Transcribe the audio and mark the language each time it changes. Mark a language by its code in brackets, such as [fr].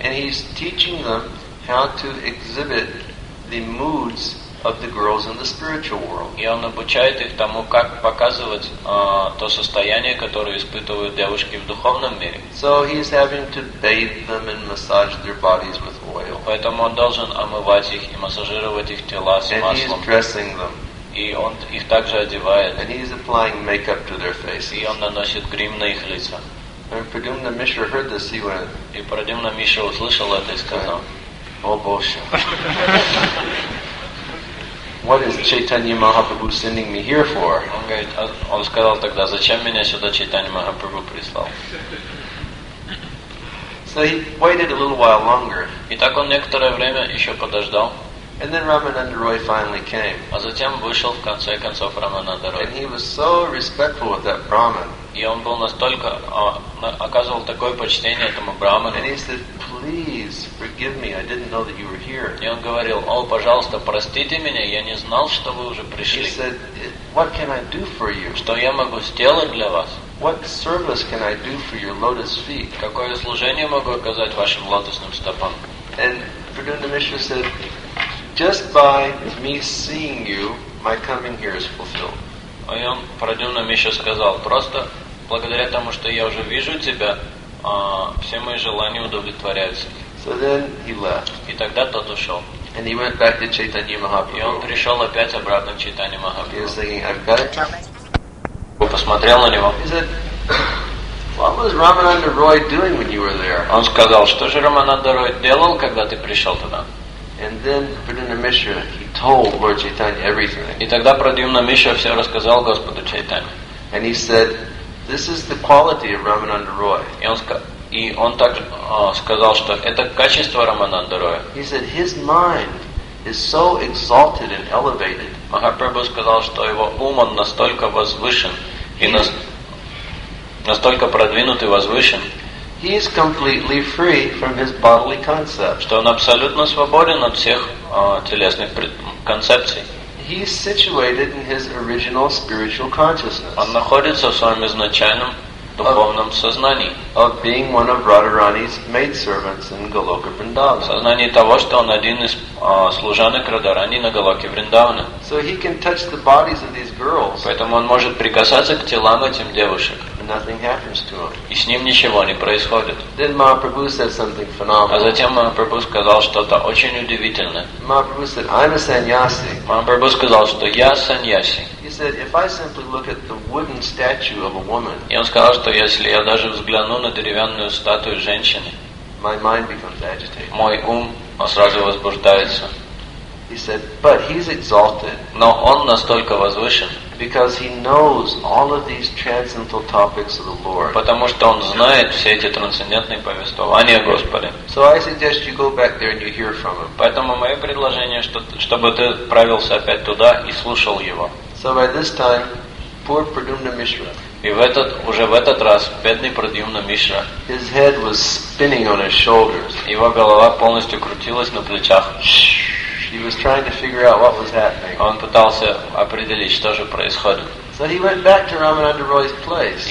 [en] And he's teaching them how to exhibit the moods of the girls in the spiritual world. [ru] И он обучает их тому, как показывать то состояние, которое испытывают девушки в духовном мире. [en] So he's having to bathe them and massage their bodies with oil. [ru] Поэтому он должен омывать их и массажировать их тела с маслом. [en] And he's dressing them. [ru] И он их также одевает. [en] And he's applying makeup to their faces. [ru] И он наносит грим на их лица. [en] And Pradyumna Mishra heard this, he went. [ru] И Прадьюмна Мишра услышал это и сказал, О Боже. [en] What is Chaitanya Mahaprabhu sending me here for? [ru] Он сказал тогда, зачем меня сюда Чайтанья Махапрабху прислал? [en] So he waited a little while longer. [ru] И так он некоторое время еще подождал. [en] And then Ramananda Roy finally came. [ru] А затем вышел в конце концов Рамананда Рой. [en] And he was so respectful of that Brahmin. [ru] И он был настолько оказывал такое почтение этому Брахману. [en] And he said, "Please forgive me. I didn't know that you were here." [ru] И он говорил, "О, пожалуйста, простите меня. Я не знал, что вы уже пришли." [en] He said, "What can I do for you?" [ru] Что я могу сделать для вас? [en] What service can I do for your lotus feet? [ru] Какое служение могу оказать вашим лотосным стопам? [en] And Pradyumna Mishra said, "Just by me seeing you, my coming here is fulfilled." [ru] А он Прадьюмна Мишра сказал, просто благодаря тому, что я уже вижу тебя, все мои желания удовлетворяются. [en] So then he left. [ru] И тогда тот ушел. [en] And he went back to Chaitanya Mahaprabhu. [ru] И он пришел опять обратно к Чайтанье Махапрабху. [en] He was thinking, I've got it. [ru] Посмотрел на него. [en] He said, "What was Ramananda Roy doing when you were there?" [ru] Он сказал, что же Рамананда Рой делал, когда ты пришел туда? [en] And then Pradyumna Mishra, he told Lord Chaitanya everything. [ru] И тогда Прадьюмна Мишра все рассказал Господу Чайтанье. [en] And he said, "This is the quality of Ramananda Roy." [ru] И он так сказал, что это качество Рамананда Роя. [en] He said, "His mind is so exalted and elevated." [ru] Махапрабху сказал, что его ум он настолько возвышен и настолько продвинут и возвышен. [en] He is completely free from his bodily concepts. [ru] Что он абсолютно свободен от всех телесных концепций. [en] He is situated in his original spiritual consciousness. [ru] Он находится в своем изначальном духовном сознании. [en] Of being one of Radharani's maidservants in Goloka Vrindavan. [ru] Сознание того, что он один из служанок Радарани на Голоке Вриндавана. [en] So he can touch the bodies of these girls. [ru] Поэтому он может прикасаться к телам этим девушек. [en] nothing happens to him. [ru] И с ним ничего не происходит. [en] Then Mahaprabhu said something phenomenal. [ru] А затем Махапрабху сказал что-то очень удивительное. [en] Mahaprabhu said, "I'm a sannyasi." [ru] Махапрабху сказал, что я саньяси. [en] He said, "If I simply look at the wooden statue of a woman." [ru] И он сказал, что если я даже взгляну на деревянную статую женщины. [en] My mind becomes agitated. [ru] Мой ум сразу возбуждается. [en] He said, "But he's exalted." [ru] Но он настолько возвышен. [en] Because he knows all of these transcendental topics of the Lord. [ru] Потому что он знает все эти трансцендентные повествования Господа. [en] So I suggest you go back there and you hear from him. [ru] Поэтому мое предложение, чтобы ты отправился опять туда и слушал его. [en] So by this time, poor Pradyumna Mishra. [ru] И уже в этот раз бедный Прадьюмна Мишра. [en] His head was spinning on his shoulders. [ru] Его голова полностью крутилась на плечах. [en] He was trying to figure out what was happening. [ru] Он пытался определить, что же происходит. [en] So he went back to Ramananda Roy's place.